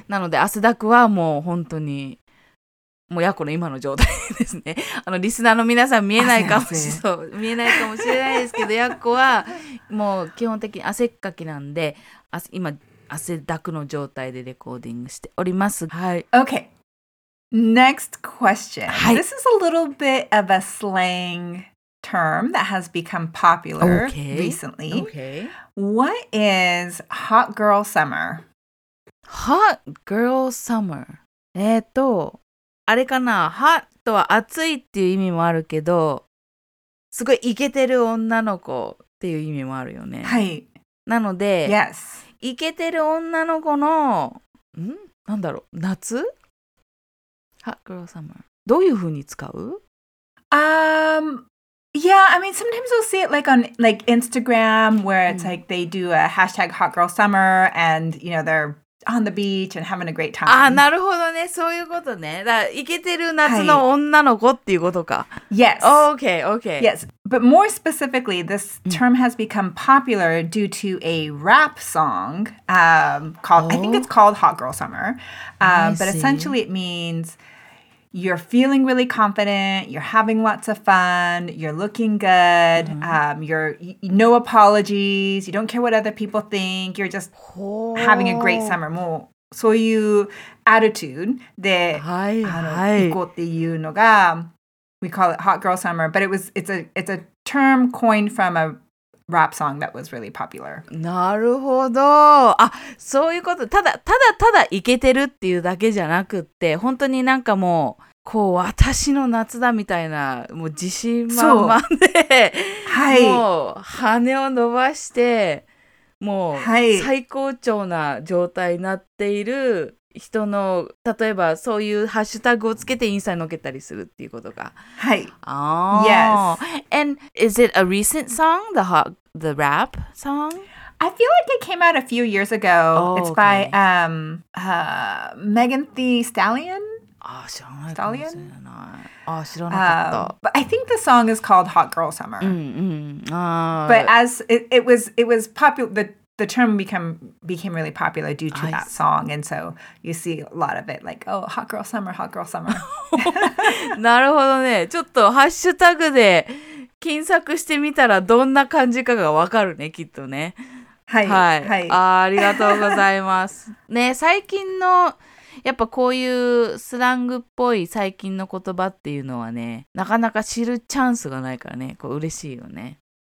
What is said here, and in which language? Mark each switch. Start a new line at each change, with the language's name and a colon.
Japanese: なので汗だくはもう本当に、もうやこの今の状態ですね。あのリスナーの皆さん見えないかもしれない、見えないかもしれないですけど、やこはもう基本的に汗っかきなんで、今汗だくの状態でレコーディングしております。
English: はい。Okay. Next question.、
Japanese: はい、
English: This is a little bit of a slang term that has become popular、 okay. recently. Okay. What is hot girl summer? Hot girl summer.
Japanese: あれかな、ハットは暑いっていう意味もあるけど、すごいイケてる女の子っていう意味もあるよね。はい。なので、
English: yes.
Japanese: イケてる女の子の、ん？なんだろう、夏？Hot girl summer。どういう風に使う？
English: Yeah, I mean, sometimes we'll see it like on like Instagram where it's like they do a hashtag hot girl summer and you know they'reOn the beach and having a great time.
Japanese: ああ、なるほどね。そういうことね。だから、イケてる夏の女の子っていうことか。はい、yes.
English: Oh, okay, okay. Yes. But more specifically, this term has become popular due to a rap song called,、oh? I think it's called Hot Girl Summer. But essentially, it means you're feeling really confident, you're having lots of fun, you're looking good,、mm-hmm. No apologies, you don't care what other people think, you're just、 oh. having a great summer.
Japanese: もうそういうアティチュードで、はいはい、行こうっていうのが、
English: we call it hot girl summer, but it's a term coined from a rap song that was really popular.
Japanese: なるほど。あ、そういうこと。ただただただイケてるっていうだけじゃなくって、本当になんかもう、こう私の夏だみたいな、もう自信満々で、はい、もう羽を伸ばして、もう最高潮な状態になっている人の、例えばそういうハッシュタグをつけてインスタに載っけたりするっていうことか。はい。
English: あー。Yes. And is it a recent song? The rap song? I feel like it came out a few years ago. Oh, it's by、okay. Megan Thee Stallion?
Japanese: あー、知らない。Stallion? あー、知らなかった。
English: But I think the song is called Hot Girl Summer.
Japanese: うんうん。あー。
English: But as it was popular, the term became really popular due to that song, and so you see a lot of it, like, oh, hot girl summer, hot girl summer.
Japanese: なるほどね。ちょっとハッシュタグで検索してみたらどんな感じかがわかるね、きっとね。はい。はい。はい、ありがとうございます。ね、最近の、やっぱこういうスラングっぽい最近の言葉っていうのはね、なかなか知るチャンスがないからね、こう嬉しいよね。